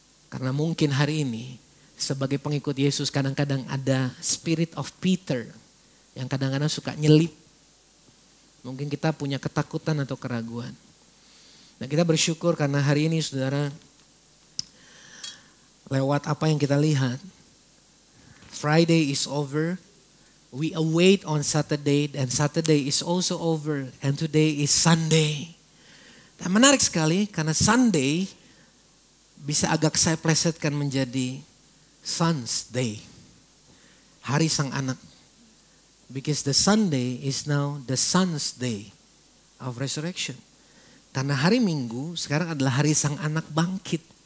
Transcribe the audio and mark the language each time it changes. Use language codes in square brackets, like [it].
[id] Karena mungkin hari ini sebagai pengikut Yesus kadang-kadang ada [en] spirit of Peter [id] yang kadang-kadang suka nyelip. Mungkin kita punya ketakutan atau keraguan. Nah, kita bersyukur karena hari ini saudara lewat apa yang kita lihat. [en] Friday is over. We await on Saturday and Saturday is also over and today is Sunday. [id] Dan menarik sekali karena Sunday bisa agak saya plesetkan menjadi Son's Day. Hari sang anak. [en] Because the Sunday is now the Son's Day of resurrection. [id] Karena hari Minggu sekarang adalah hari sang anak bangkit.